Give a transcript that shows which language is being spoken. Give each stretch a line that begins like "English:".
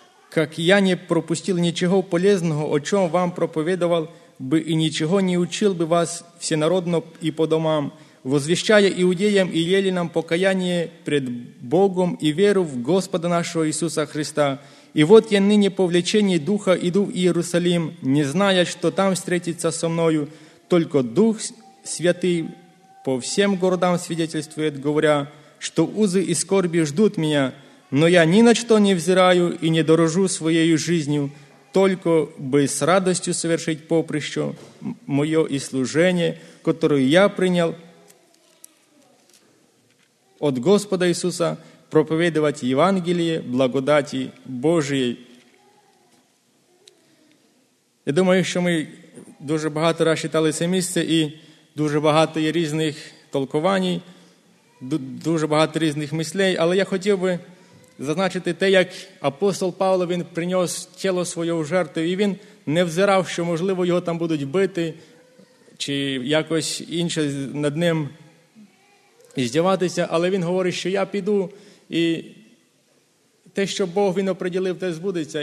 Russian: «Как я не пропустил
Ukrainian: нічого полезного, о чому вам проповідував би і нічого не учил би вас всенародно і по домам, возвіщає іудеям і єлінам покаяння пред Богом і веру в Господа нашого Ісуса Христа.
Russian: И вот я ныне по влечении Духа иду в Иерусалим, не зная, что там встретится со мною, только Дух Святый по всем городам свидетельствует, говоря, что узы и скорби ждут меня, но я ни на что не взираю и не дорожу своей жизнью, только бы с радостью совершить поприще мое и служение, которое я принял от Господа Иисуса».
Ukrainian: Проповідувати Євангеліє благодаті Божої. Я думаю, що ми дуже багато раз читали це місце, і дуже багато є різних толкувань, дуже багато різних мислей, але я хотів би зазначити те, як апостол Павло, він принес тіло своє в жертву, і він не взирав, що, можливо, його там будуть бити, чи якось інше над ним здіватися, але він говорить, що я піду, і те, що Бог він оприділив, те збудеться.